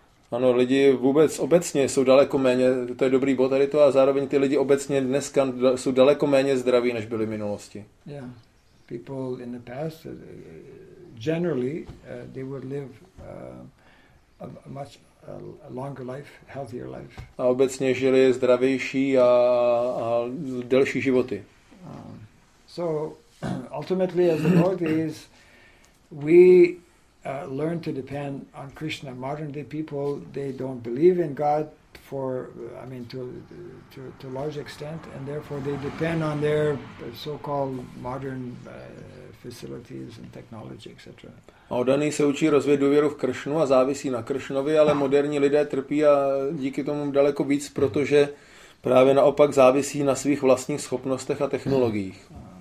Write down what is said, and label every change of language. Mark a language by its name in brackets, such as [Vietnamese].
[Czech] Ano, lidi vůbec obecně jsou daleko méně, to je dobrý bod tady to, a zároveň ty lidi obecně dneska jsou daleko méně zdraví, než byli v minulosti. [English] Yeah. People in the past, generally, they would live a much longer life, healthier life. [Czech] A obecně žili zdravější a delší životy. [English] So, ultimately, as the Lord is, we learn to depend on Krishna. Modern day people, they don't believe in God, for, I mean, to a large extent, and therefore they depend on their so-called modern facilities and technology, etc. [Czech] Oddaný se učí rozvíjet důvěru v Kršnu a závisí na Kršnovi, ale moderní lidé trpí a díky tomu daleko víc, protože právě naopak závisí na svých vlastních schopnostech a technologiích.